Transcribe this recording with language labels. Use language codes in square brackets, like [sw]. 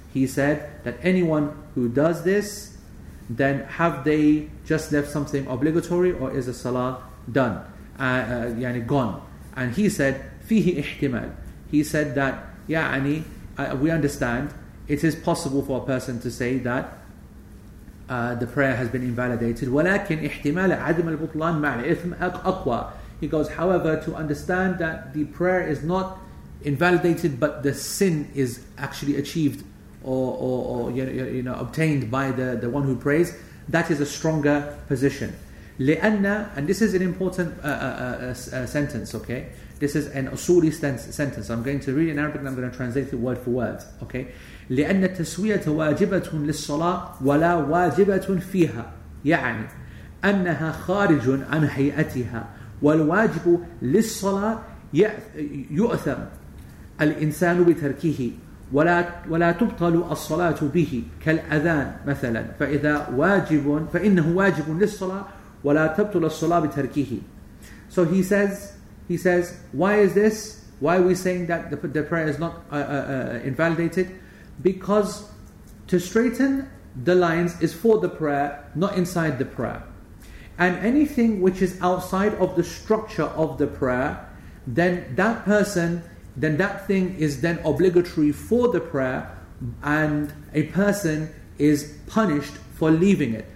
[en] He said that anyone who does this, then have they just left something obligatory, or is a salah done? Yani gone. And he said, [ar] fihi ihtimal. [en] He said that, yani, we understand, it is possible for a person to say that the prayer has been invalidated. [ar] ولكن احتمال عدم البطلان مع الإثم أقوى. [en] He goes, however, to understand that the prayer is not invalidated, but the sin is actually achieved or you know, obtained by the one who prays, that is a stronger position. [ar] لأن, [en] and this is an important sentence, okay? This is an أصولي sentence. I'm going to read it in Arabic and I'm going to translate it word for word, okay? [ar] لأن التسوية واجبة للصلاة ولا واجبة فيها يعني أنها خارج عن هيئتها والواجب للصلاة يؤثم الإنسان بتركه ولا تبطل الصلاة به كالأذان مثلا فإذا واجب فإنه واجب للصلاة ولا تبطل الصلاة بتركه. [en] So he says, why is this? Why are we saying that the prayer is not invalidated? Because to straighten the lines is for the prayer, not inside the prayer. And anything which is outside of the structure of the prayer, then that thing is then obligatory for the prayer, and a person is punished for leaving it.